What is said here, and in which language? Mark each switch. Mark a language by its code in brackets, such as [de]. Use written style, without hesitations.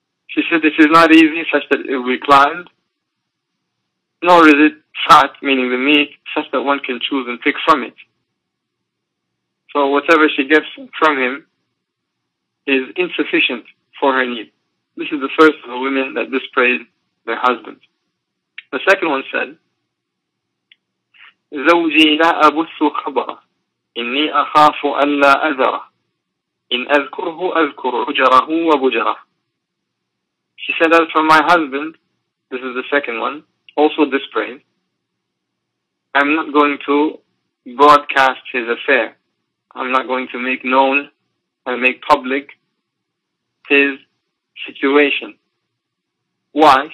[en] She said it is not easy, such that it will be climbed, nor is it fat, meaning the meat, such that one can choose and pick from it. So whatever she gets from him is insufficient for her need. This is the first of the women that dispraised their husband. The second one said, [ar] زوجي لا أبث خبره إني أخاف ألا أذره إن أذكره أذكر حجره وبجره. [en] She said, as for my husband, this is the second one, also dispraised, I'm not going to broadcast his affair. I'm not going to make known and make public his situation. Why?